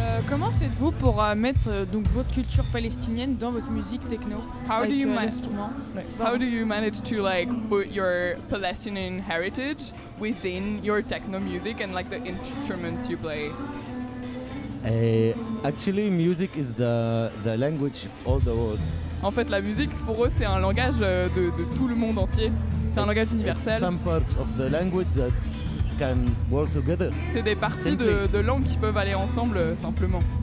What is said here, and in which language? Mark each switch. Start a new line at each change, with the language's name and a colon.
French: Comment faites-vous pour mettre donc votre culture palestinienne dans votre musique techno?
English: How like, do you manage instrument? How do you manage to like put your Palestinian heritage within your techno music and like the instruments you play? Actually music is the language of all the world.
French: En fait la musique pour eux c'est un langage de tout le monde entier. C'est un langage universel.
English: Some parts of the language that can work together.
French: C'est des parties de langues qui peuvent aller ensemble simplement.